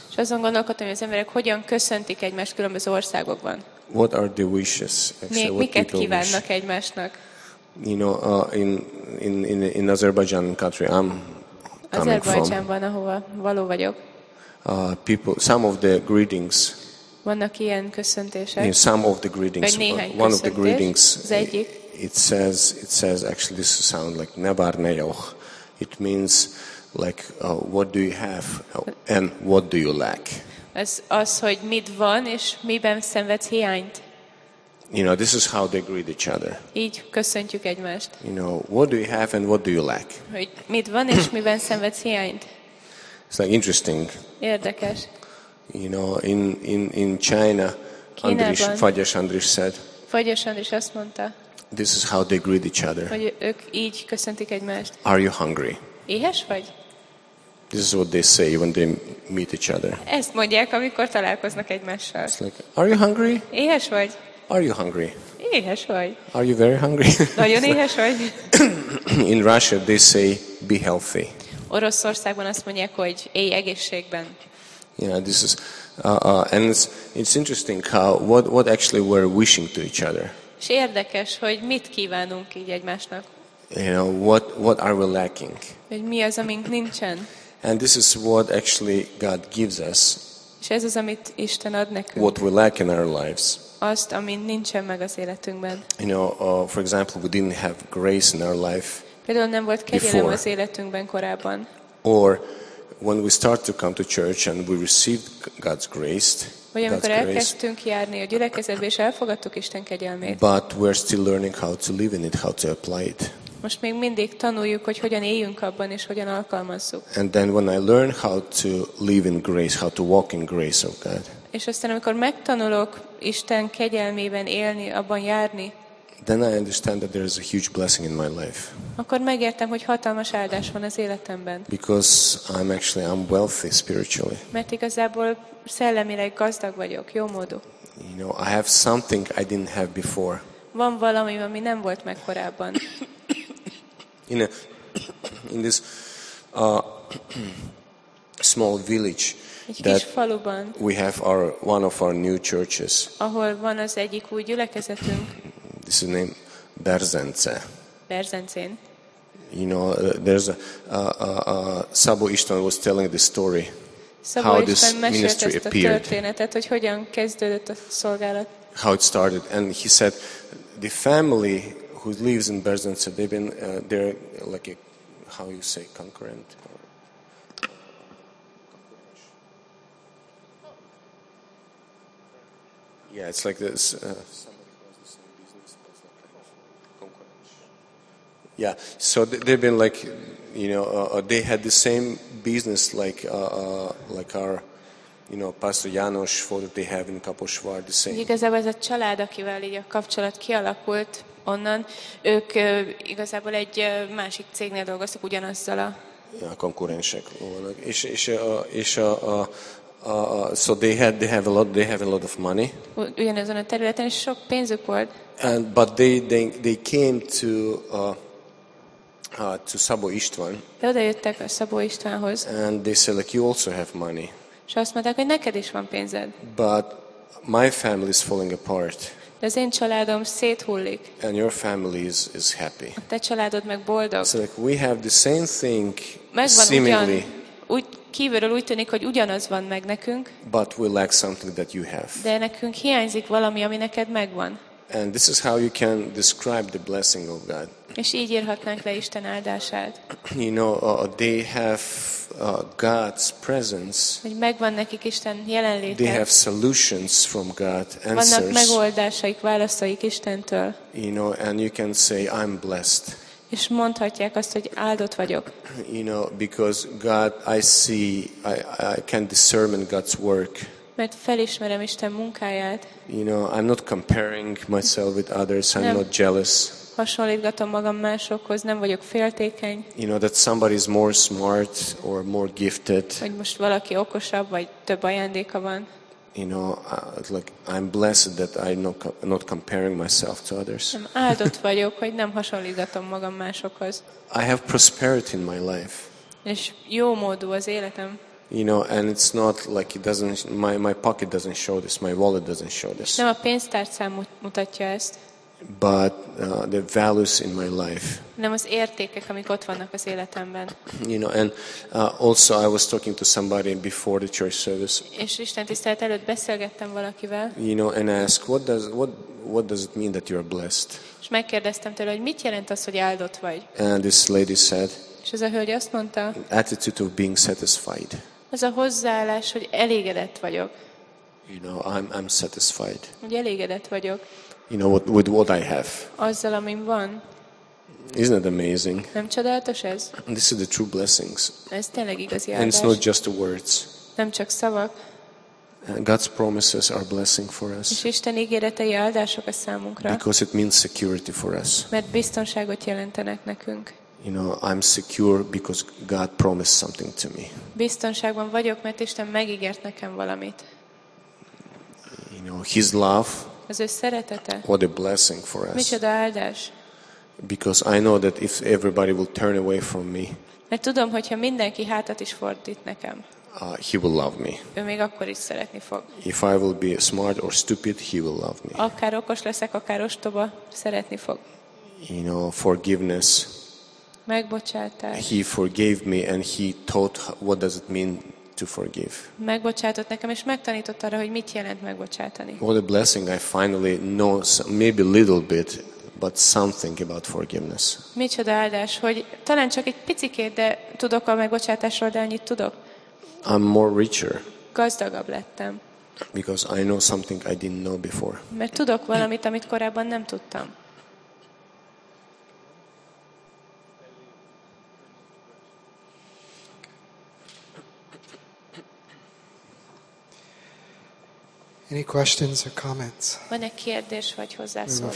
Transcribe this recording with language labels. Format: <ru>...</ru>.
<hu>És azon gondolkodtam, hogy az emberek hogyan köszöntik egymást különböző országokban.</hu> <en>What are the wishes? Actually,</en> <hu>miket kívánnak egymásnak?</hu> <en>You know, in Azerbaijan country I'm coming from.</en> <hu>Azerbaijanban, ahova való vagyok.</hu> <en>People, some of the greetings.</en> <hu>Vannak ilyen köszöntések.</hu> <en>In some of the greetings,</en> <hu>vagy néhány</hu> <en>one</en> <hu>köszöntés,</hu> <en>of the greetings.</en> <hu>Az egyik.</hu> <en>It says actually this sound like nevar nejoch. It means like what do you have and what do you lack?</en> <hu>Ez az, hogy mit van és miben szenvedsz hiányt.</hu> <en>You know, this is how they greet each other.</en> <hu>Így köszöntjük egymást.</hu> <en>You know, what do you have and what do you lack?</en> <hu>Hogy mit van és miben szenvedsz hiányt.</hu> <en>It's like interesting.</en> <hu>Érdekes.</hu> <en>You know, in China, Fagyas Andris</en> <hu>azt mondta.</hu> <en>This is how they greet each other.</en> <hu>Hogy ők így köszöntik egymást.</hu> <en>Are you hungry?</en> <hu>Éhes vagy?</hu> <en>This is what they say when they meet each other.</en> <hu>Ezt mondják, amikor találkoznak egymással.</hu> <en>It's like, are you hungry?</en> <hu>Éhes vagy?</hu> <en>Are you hungry?</en> <hu>Éhes vagy?</hu> <en>Are you very hungry?</en> <hu>Nagyon éhes vagy?</hu> <en>In Russia they say, be healthy.</en> <hu>Oroszországban azt mondják, hogy élj egészségben.</hu> <en>Yeah, this is, and it's interesting how, what actually we're wishing to each other.</en> <hu>És érdekes, hogy mit kívánunk így egymásnak.</hu> <en>You know, what are we lacking?</en> <hu>Hogy mi az, amink nincsen.</hu> <en>And this is what actually God gives us.</en> <hu>És ez az, amit Isten ad nekünk.</hu> <en>What we lack in our lives.</en> <hu>Azt, ami nincsen meg az életünkben.</hu> <en>You know, for example, we didn't have grace in our life.</en> <hu>Például nem volt kegyelem az életünkben korábban.</hu> <en>Or when we start to come to church and we received God's grace.</en> <hu>Vagy amikor elkezdtünk járni a gyülekezetbe és elfogadtuk Isten kegyelmét.</hu> <en>But we're still learning how to live in it, how to apply it.</en> <hu>Most még mindig tanuljuk, hogy hogyan éljünk abban és hogyan alkalmazzuk.</hu> <en>And then when I learn how to live in grace, how to walk in grace of God.</en> <hu>És aztán amikor megtanulok Isten kegyelmében élni, abban járni.</hu> <en>Then I understand that there is a huge blessing in my life.</en> <hu>Akkor megértem, hogy hatalmas áldás van az életemben.</hu> <en>Because I'm wealthy spiritually.</en> <hu>Mert igazából szellemileg gazdag vagyok, jó módu.</hu> <en>You know, I have something I didn't have before.</en> <hu>Van valami, ami nem volt meg korábban.</hu> <en>In this small village that</en> <hu>faluban,</hu> <en>we have one of our new churches.</en> <hu>Ahol van az egyik új gyülekezetünk.</hu> <en>This is named Berzence.</en> <hu>Berzencén.</hu> <en>You know, there's a Szabó István was telling the story. Szabó how this ministry appeared.</en> <hu>Szabó István mesélte a történetet, hogy hogyan kezdődött a szolgálat.</hu> <en>How it started, and he said the family who lives in Berzence, they've been they're like a, how you say, concurrent. Yeah, it's like this. Yeah, so they've been like, you know, they had the same business like our, you know, Pastor Janos for that they have in Kaposvár, the same.</en> <hu>Igazából ez a család, akivel így a kapcsolat kialakult onnan, ők igazából egy másik cégnél dolgoztak ugyanazzal a. Yeah, konkurensek vannak.</hu> <en>So they have a lot of money.</en> <hu>Ugyanazon a területen sok pénzük volt.</hu> <en>And but they came to. To Szabó István.</en> <hu>De odajöttek a Szabó Istvánhoz.</hu> <en>And they said, like, you also have money.</en> <hu>És azt mondták, hogy neked is van pénzed.</hu> <en>But my family is falling apart.</en> <hu>De az én családom széthullik.</hu> <en>And your family is happy.</en> <hu>A te családod meg boldog.</hu> <en>So, like, we have the same thing</en> <hu>megvan</hu> <en>seemingly.</en> <hu>Ugyan, úgy kívülről úgy tűnik, hogy ugyanaz van meg nekünk.</hu> <en>But we lack something that you have.</en> <hu>De nekünk hiányzik valami, ami neked megvan.</hu> <en>And this is how you can describe the blessing of God.</en> <hu>És így írhatnánk le Isten áldását.</hu> <en>You know, they have God's presence.</en> <hu>Hogy megvan nekik Isten jelenléte.</hu> <en>They have solutions from God, answers.</en> <hu>Vannak megoldásaik, válaszaik Istentől.</hu> <en>You know, and you can say, I'm blessed.</en> <hu>És mondhatják azt, hogy áldott vagyok.</hu> <en>You know, because God, I see, I can discern God's work.</en> <hu>Mert felismerem Isten munkáját.</hu> <en>You know, I'm not comparing myself with others. I'm not jealous.</en> <hu>Hasonlítgatom magam másokhoz, nem vagyok féltékeny.</hu> <en>You know, that somebody is more smart or more gifted.</en> <hu>Hogy most valaki okosabb vagy több ajándéka van.</hu> <en>You know, like I'm blessed that I'm not comparing myself to others.</en> <hu>Nem áldott vagyok, hogy nem hasonlítgatom magam másokhoz.</hu> <en>I have prosperity in my life.</en> <hu>És jó módú az életem.</hu> <en>You know, and it's not like it doesn't. My pocket doesn't show this. My wallet doesn't show this.</en> <hu>Nem a pénztárcám mutatja ezt.</hu> <en>But the values in my life.</en> <hu>Nem az értékek, amik ott vannak az életemben.</hu> <en>You know, and also I was talking to somebody before the church service.</en> <hu>És Isten tisztelet előtt beszélgettem valakivel.</hu> <en>You know, and ask what does it mean that you are blessed?</en> <hu>És megkérdeztem tőle, hogy mit jelent az, hogy áldott vagy.</hu> <en>And this lady said.</en> <hu>És ez a hölgy azt mondta.</hu> <en>Attitude of being satisfied.</en> <hu>Az a hozzáállás, hogy elégedett vagyok.</hu> <en>You know, I'm satisfied.</en> <hu>Hogy elégedett vagyok.</hu> <en>You know, with what I have.</en> <hu>Azzal, amin van.</hu> <en>Isn't that amazing?</en> <hu>Nem csodálatos ez?</hu> <en>And this is the true blessings.</en> <hu>Ez tényleg igazi áldás.</hu> <en>And it's not just the words.</en> <hu>Nem csak szavak.</hu> <en>And God's promises are blessing for us.</en> <hu>És Isten ígéretei áldások a számunkra.</hu> <en>Because it means security for us.</en> <hu>Mert biztonságot jelentenek nekünk.</hu> <en>You know, I'm secure because God promised something to me.</en> <hu>Biztonságban vagyok, mert Isten megígért nekem valamit.</hu> <en>You know, His love.</en> <hu>Az ő szeretete.</hu> <en>What a blessing for us.</en> <hu>Micsoda áldás.</hu> <en>Because I know that if everybody will turn away from me.</en> <hu>Mert tudom, hogyha mindenki hátat is fordít nekem.</hu> <en>He will love me.</en> <hu>Ő még akkor is szeretni fog.</hu> <en>If I will be smart or stupid, He will love me.</en> <hu>Akár okos leszek, akár ostoba, szeretni fog.</hu> <en>You know, forgiveness.</en> <hu>Megbocsátás.</hu> <en>He forgave me and he taught what does it mean to forgive.</en> <hu>Megbocsátott nekem és megtanított arra, hogy mit jelent megbocsátani.</hu> <en>What a blessing I finally know maybe a little bit but something about forgiveness.</en> <hu>Micsoda áldás, hogy talán csak egy picikét, de tudok a megbocsátásról, de annyit tudok.</hu> <en>I'm more richer.</en> <hu>Gazdagabb lettem.</hu> <en>Because I know something I didn't know before.</en> <hu>Mert tudok valamit, amit korábban nem tudtam.</hu> <en>Any questions or comments?</en> <hu>Van-e kérdés vagy hozzászólás?</hu>